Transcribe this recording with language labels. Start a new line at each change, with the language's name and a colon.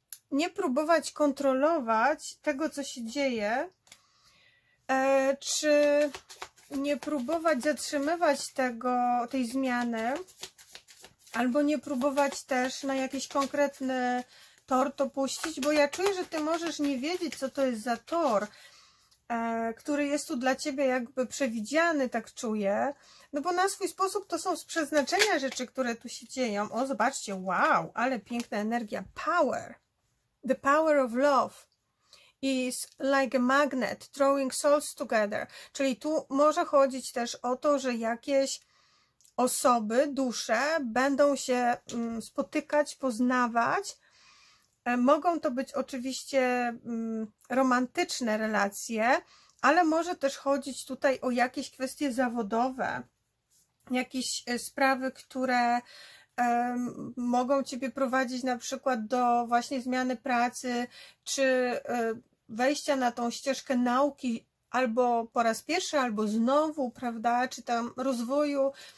Polish: nie próbować kontrolować tego, co się dzieje, czy nie próbować zatrzymywać tego, tej zmiany, albo nie próbować też na jakiś konkretny tor to puścić, bo ja czuję, że ty możesz nie wiedzieć, co to jest za tor, który jest tu dla ciebie jakby przewidziany, tak czuję. No bo na swój sposób to są z przeznaczenia rzeczy, które tu się dzieją. O, zobaczcie, wow, ale piękna energia.
English: Power, the power of love is like a magnet drawing souls together.
Polish: Czyli tu może chodzić też o to, że jakieś osoby, dusze będą się spotykać, poznawać. Mogą to być oczywiście romantyczne relacje, ale może też chodzić tutaj o jakieś kwestie zawodowe, jakieś sprawy, które mogą ciebie prowadzić na przykład do właśnie zmiany pracy, czy wejścia na tą ścieżkę nauki, albo po raz pierwszy, albo znowu, prawda, czy tam rozwoju.